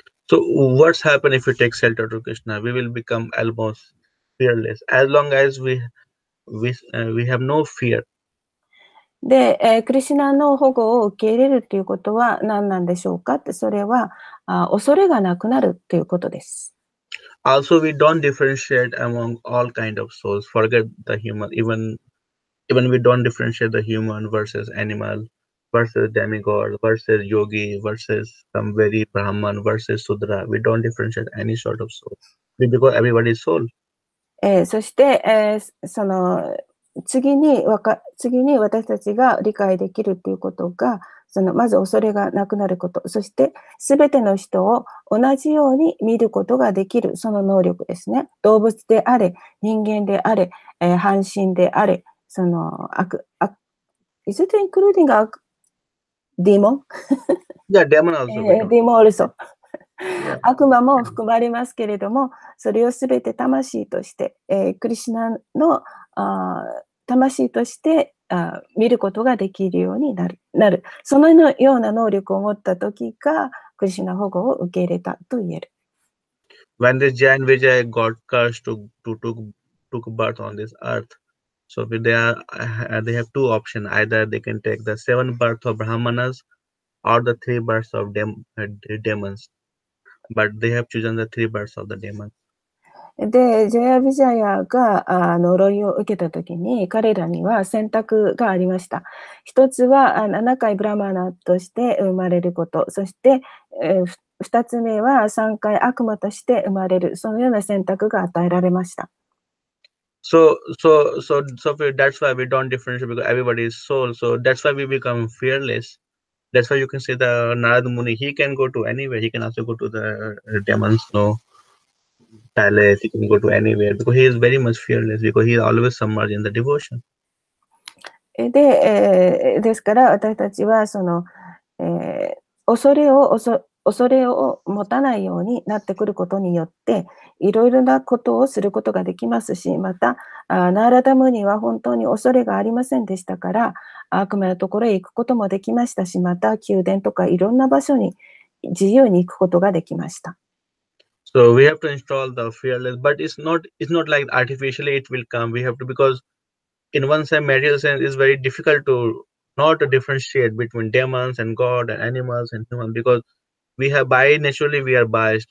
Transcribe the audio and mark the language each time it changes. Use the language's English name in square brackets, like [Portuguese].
[English] So what's happened if we take shelter to Krishna? We will become almost fearless. As long as we have no fear. [Japanese] で、クリシナの保護を受け入れるということは何なんでしょうか？それは、恐れがなくなるということです。 [English] Also, we don't differentiate among all kind of souls. Forget the human, even we don't differentiate the human versus animal, versus demigod, versus yogi, versus some very Brahman, versus Sudra. We don't differentiate any sort of soul. Because everybody is soul. [Japanese] そして、その次に私たちが理解できるということが、そのまず恐れがなくなること、そして全ての人を同じように見ることができる、その能力ですね。動物であれ、人間であれ、半身であれ、その悪、 [English] is it including demon? Yeah, demon also. Demon also. [Japanese] 悪魔も含まれますけれども、それをすべて魂として、クリシナの魂として見ることができるようになる。そのような能力を持ったときが、クリシナ保護を受け入れたと言える。 [English] When this Jain Vijay got cursed took birth on this earth,So they have two options. Either they can take the 7 births of Brahmanas or the 3 births of demons. But they have chosen the 3 births of the demons. [Japanese] で、ジャヤビジャヤが呪いを受けたときに彼らには選択がありました。一つは7回ブラマナとして生まれること。そして、2つ目は3回悪魔として生まれる。そのような選択が与えられました。 [English] So that's why we don't differentiate because everybody is soul. So that's why we become fearless. That's why you can see the Narad Muni, he can go to anywhere. He can also go to the demon's snow palace. He can go to anywhere because he is very much fearless because he is always submerged in the devotion. [Japanese] で、ですから私たちはその、恐れを恐恐れを持たないようになってくることによっていろいろなことをすることができますし、またナーラダムニは本当に恐れがありませんでしたから、悪魔のところへ行くこともできましたし、また宮殿とかいろんな場所に自由に行くことができました。 [English] So we have to install the fearless, but it's not like artificially it will come. We have to, because in one sense, material sense is very difficult to not differentiate between demons and God and animals and human, because we have by naturally we are biased.